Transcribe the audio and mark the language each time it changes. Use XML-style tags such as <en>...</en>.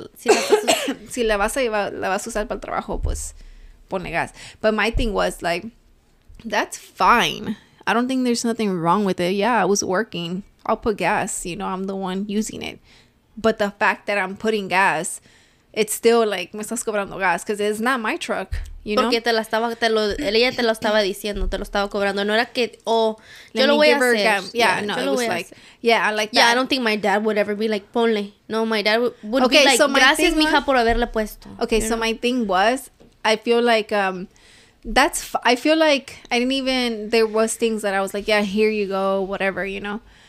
<es>Si la vas a llevar, la vas a usar para el trabajo, pues pone gas.</es> <en>But my thing was, like, that's fine. I don't think there's nothing wrong with it. Yeah, I was working. I'll put gas. You know, I'm the one using it. But the fact that I'm putting gas, it's still like,</en> <es>me estás cobrando gas,</es> <en>because it's not my truck, you know?</en> <es>Porque ella te lo estaba diciendo, te lo estaba cobrando. No era que, oh, yo lo voy a hacer.</es> <en>Yeah, no, it was like, yeah, I like that. Yeah, I don't think my dad would ever be like, ponle. No, my dad would okay, be like, so</en> <es>gracias, mija, por haberle puesto.</es> <en>Okay, so my thing was, I feel like, I feel like I didn't even, there was things that I was like, yeah, here you go, whatever, you know?</en>